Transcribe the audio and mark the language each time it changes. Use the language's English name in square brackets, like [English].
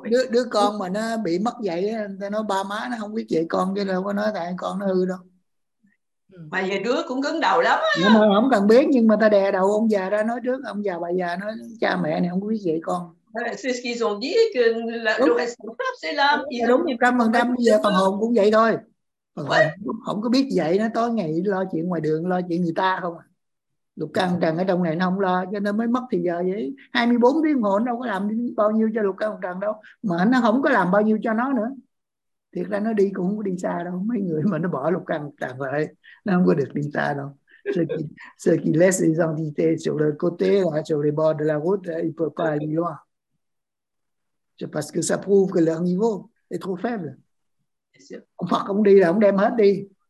[Vietnamese] Đứa con mà nó bị mất dạy, ta nói ba má nó không biết dạy con, chứ đâu có nói tại con nó hư đâu. Mà giờ đứa cũng cứng đầu lắm. Nhưng mà không cần biết, nhưng mà ta đè đầu ông già ra nói trước, ông già bà già nói cha mẹ này không biết dạy con. [French] C'est ce qu'ils ont dit, que le responsable, c'est l'âme. [Vietnamese] Đúng, 100%, bây giờ phần hồn cũng vậy thôi. Phần hồn không có biết vậy, nó tối ngày lo chuyện ngoài đường, lo chuyện người ta không. Lục căn trần ở trong này nó không lo, cho nên mới mất thì giờ vậy. 24 tiếng hồn đâu có làm bao nhiêu cho lục căn trần đâu. Mà nó không có làm bao nhiêu cho nó nữa. Thiệt ra nó đi cũng không có đi xa đâu. Mấy người mà nó bỏ lục căn trần lại, nó không có được đi xa đâu. [French] Ceux qui laissent les entités sur le côté, sur les bords de la route, ils peuvent pas aller loin. C'est parce que ça prouve que leur niveau est trop faible. [Vietnamese] Ông Phật không đi là ông đem hết đi.